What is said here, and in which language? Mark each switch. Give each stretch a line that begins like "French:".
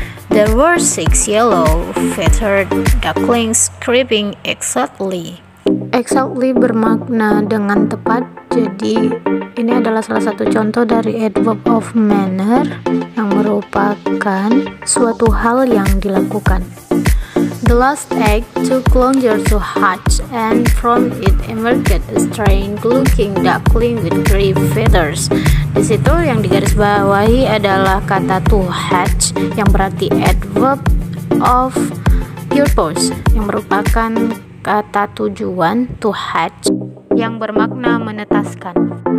English: There were six yellow feathered ducklings creeping exactly.
Indonesian: Exactly bermakna dengan tepat. Jadi ini adalah salah satu contoh dari adverb of manner yang merupakan suatu hal yang dilakukan.
English: The last egg took longer to hatch, and from it emerged a strange-looking duckling with grey feathers.
Indonesian: Di situ yang digarisbawahi adalah kata to hatch, yang berarti adverb of purpose, yang merupakan kata tujuan to hatch, yang bermakna menetaskan.